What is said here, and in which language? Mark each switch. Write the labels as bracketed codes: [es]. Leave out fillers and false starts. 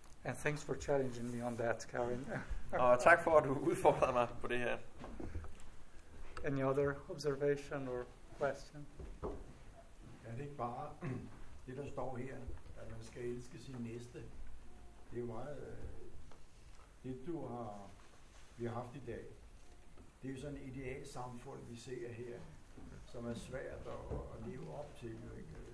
[en] And thanks for challenging me on that, Karin. [da] Og tak for at du udfordrede mig på det her. [en] Any other observation or question? [da] Er det ikke bare det der står her, at man skal elske sin næste? Det er jo meget det du har vi har haft i dag. Det er jo sådan et ideal samfund vi ser her, som er svært at leve op til, ikke?